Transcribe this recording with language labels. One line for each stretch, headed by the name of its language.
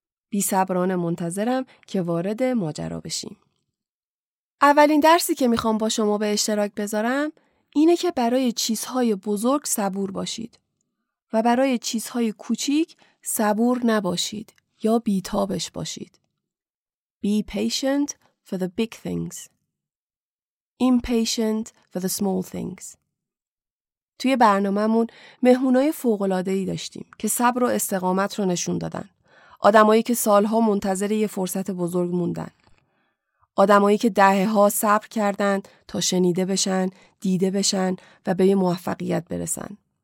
Persian: بی‌صبرانه منتظرم که وارد ماجرا بشیم. اولین درسی که میخوام با شما به اشتراک بذارم اینه که برای چیزهای بزرگ صبور باشید و برای چیزهای کوچیک صبور نباشید یا بیتابش باشید.
English: Be patient for the big things. Impatient for the small things.
Persian: توی برنامه‌مون مهمونای فوق‌العاده‌ای داشتیم که صبر و استقامت رو نشون دادن. آدمایی که سالها منتظر یه فرصت بزرگ موندن. آدمایی که دهه ها صبر کردند تا شنیده بشن، دیده بشن و به یه موفقیت برسن.